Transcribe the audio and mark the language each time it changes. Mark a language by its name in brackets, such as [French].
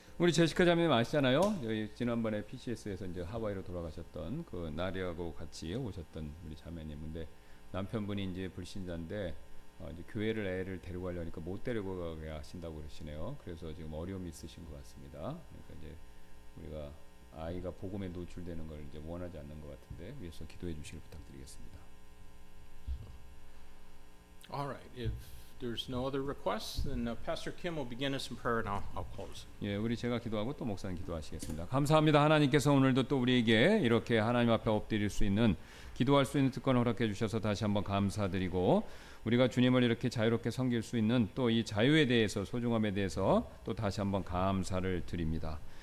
[Korean] 우리 제시카 자매님 아시잖아요. 여기 지난번에 PCS에서 이제 하와이로 돌아가셨던 그 나리하고 같이 오셨던 우리 자매님인데 남편분이 이제 불신자인데 이제 교회를 애를 데려가려니까 못 데려가게 하신다고 그러시네요. 그래서 지금 어려움이 있으신 것 같습니다. 그러니까 이제 우리가 아이가 복음에 노출되는 걸 이제 원하지 않는 것 같은데 위해서 기도해 주시길 부탁드리겠습니다. [English] All right. There's no other requests, then Pastor Kim will begin us in prayer, and I'll close. [Korean] 예, 우리 제가 기도하고 또 목사님 기도하시겠습니다. 감사합니다. 하나님께서 오늘도 또 우리에게 이렇게 하나님 앞에 엎드릴 수 있는 기도할 수 있는 특권을 허락해 주셔서 다시 한번 감사드리고 우리가 주님을 이렇게 자유롭게 섬길 수 있는 또 이 자유에 대해서 소중함에 대해서 또 다시 한번 감사를 드립니다.